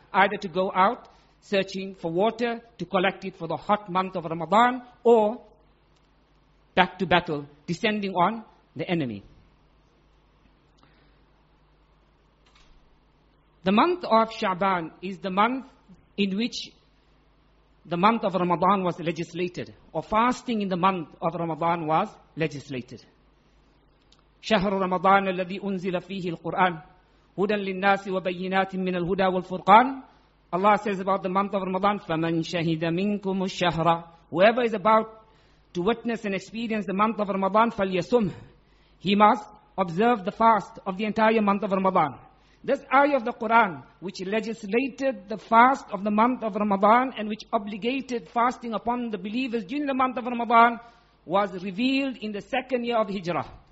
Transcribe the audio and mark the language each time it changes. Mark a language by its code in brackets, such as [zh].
[en] Either to go out searching for water to collect it for the hot month of Ramadan, or back to battle, descending on the enemy. The month of Sha'ban is the month in which the month of Ramadan was legislated, or fasting in the month of Ramadan was legislated. [ar] شهر رمضان الذي أنزل فيه القرآن هدى للناس وبينات من الهدى والفرقان. [en] Allah says about the month of Ramadan, [ar] فَمَنْ شَهِدَ مِنْكُمُ الشَّهْرَ. [en] Whoever is about to to witness and experience the month of Ramadan, [ar] فليصم. [en] He must observe the fast of the entire month of Ramadan. This ayah of the Quran, which legislated the fast of the month of Ramadan and which obligated fasting upon the believers during the month of Ramadan, was revealed in the second year of Hijrah.